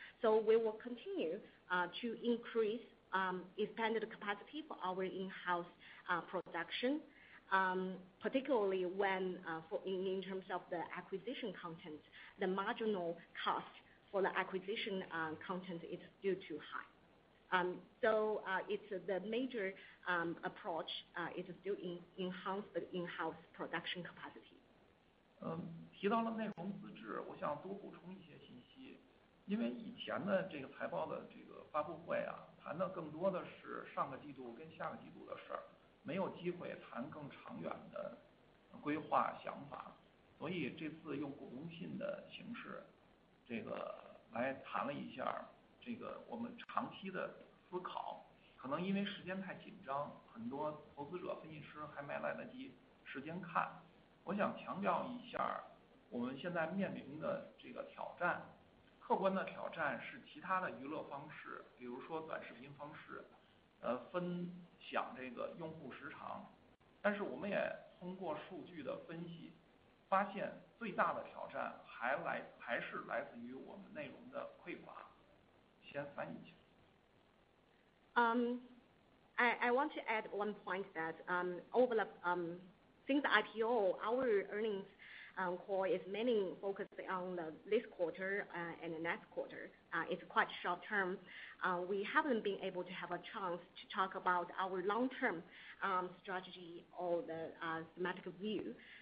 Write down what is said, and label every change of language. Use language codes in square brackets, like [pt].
[en] So we will continue to increase expanded capacity for our in-house production, particularly when in terms of the acquisition content, the marginal cost for the acquisition content is still too high. The major approach is still enhance the in-house production capacity. [zh] 提到了内容资质，我想多补充一些信息。因为以前的这个财报的这个发布会啊，谈的更多的是上个季度跟下个季度的事儿，没有机会谈更长远的规划想法。所以这次用股东信的形式，这个来谈了一下这个我们长期的思考。可能因为时间太紧张，很多投资者、分析师还没来得及时间看。我想强调一下我们现在面临的这个挑战，客观的挑战是其他的娱乐方式，比如说短视频方式，分享这个用户时长。但是我们也通过数据的分析发现，最大的挑战还是来自于我们内容的匮乏。先翻译一下。 [en] I want to add one point that over the since the IPO, our earnings call is mainly focused on this quarter and the next quarter. It's quite short term. We haven't been able to have a chance to talk about our long-term strategy or the thematic view.